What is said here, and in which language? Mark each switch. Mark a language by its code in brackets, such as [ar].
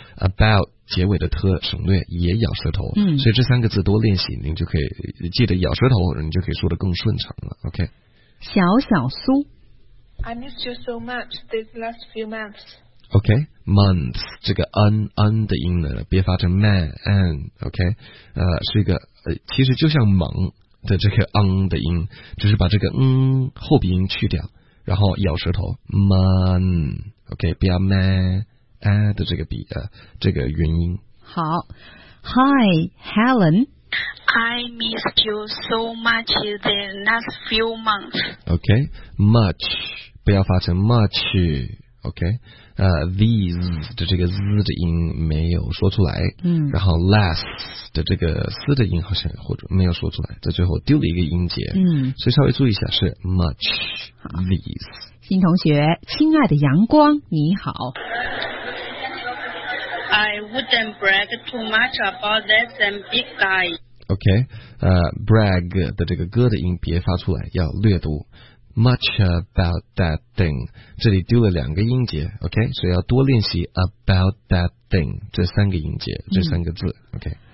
[zh] about 结尾的特省略也咬舌头、所以这三个字多练习您就可以记得咬舌头你就可以说得更顺畅了 OK 小小苏 [en] I missed you so much these last few months [zh] OK, months 这个 un 的音呢，别发成 man an OK， 是一个其实就像忙的这个 un 的音，只是把这个后鼻音去掉，然后咬舌头 man OK， 不要 man an 的这个鼻这个元音。 [en] 好 ，Hi Helen。 I missed you so much the last few months. OK, much 不要发成 much OK。 [zh] These 的这个 z 的音没有说出来，然后 last 的这个 s 的音好像或者没有说出来，在最后丢了一个音节，所以稍微注意一下是 much these。新同学，亲爱的阳光，你好。 [en] I wouldn't brag too much about this and big guy. [zh] OK， brag 的这个 g 的音别发出来，要略读。 [en] Much about that thing， [zh] 这里丢了两个音节 ，OK， 所以要多练习 [en] about that thing [zh] 这三个音节，这三个字 ，OK。